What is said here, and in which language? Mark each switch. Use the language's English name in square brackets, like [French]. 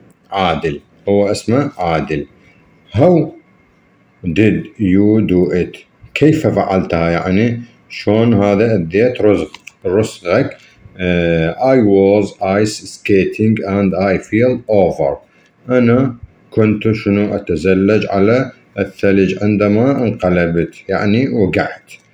[Arabic] عادل، هو اسمه عادل. [English] How did you do it؟ [Arabic] كيف فعلتها؟ يعني شون هذا اديت رسغك. [English] I was ice skating and I feel over. [Arabic] أنا كنت شنو، أتزلج على الثلج عندما انقلبت، يعني وقعت.